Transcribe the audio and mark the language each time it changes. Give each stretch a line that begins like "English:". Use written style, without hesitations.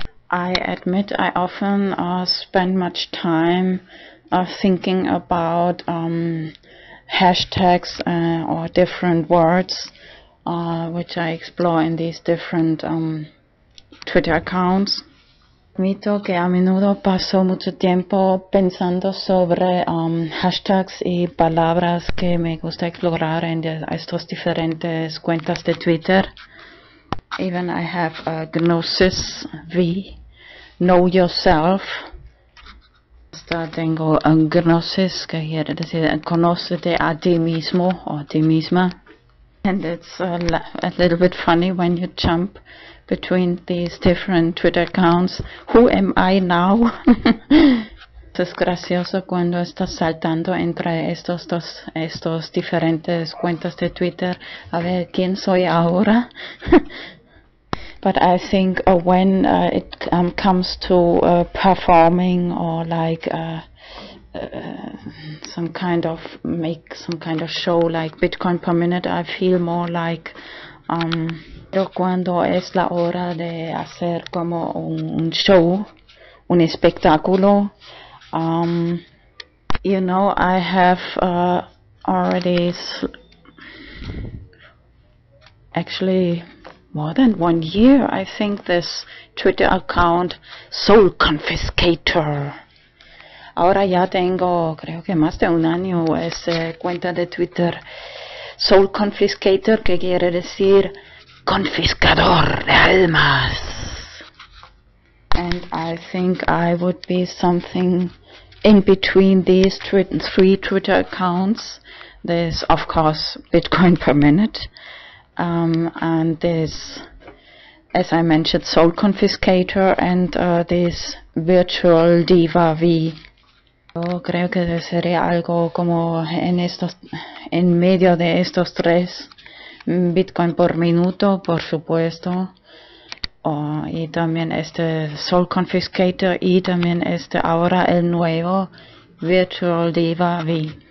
English: I admit I often spend much time thinking about hashtags or different words which I explore in these different Twitter accounts.
Spanish: Admito que a menudo paso mucho tiempo pensando sobre hashtags y palabras que me gusta explorar en estos diferentes cuentas de Twitter.
English: Even I have a Gnosis V, Know Yourself.
Spanish: Hasta tengo a Gnosis, que quiere decir conócete a ti mismo o a ti misma.
English: And it's a little bit funny when you jump between these different Twitter accounts. Who am I now?
Spanish: Es gracioso cuando estás saltando entre estos diferentes cuentas de Twitter. A ver, ¿quién soy ahora?
English: But I think when it comes to performing or like make some kind of show like Bitcoin per minute, I feel more like
Spanish: pero cuando es la hora de hacer como un show, un espectáculo,
English: you know, I have already actually more than 1 year, I think, this Twitter account Soul Confiscator.
Spanish: Ahora ya tengo, creo que más de un año, esa cuenta de Twitter Soul Confiscator, que quiere decir confiscador de almas.
English: And I think I would be something in between these three Twitter accounts. There's, of course, Bitcoin per minute. And there's, as I mentioned, Soul Confiscator and this virtual Diva V.
Spanish: Yo creo que sería algo como en medio de estos tres. Bitcoin por minuto, por supuesto, y también este Soul Confiscator, y también este ahora el nuevo Virtual Diva V.